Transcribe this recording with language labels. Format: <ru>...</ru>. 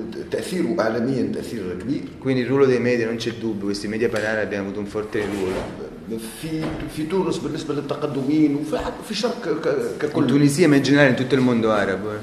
<ar>تأثير عالميا تأثير كبير.</ar> <it>Quindi il ruolo dei media non c'è dubbio, questi media panari abbiamo avuto un forte ruolo.</it> <ar>في تونس بالنسبة للتقدمين وفي الشرق ككل.</ar> <it>In Tunisia ma in generale in tutto il mondo arabo.</it>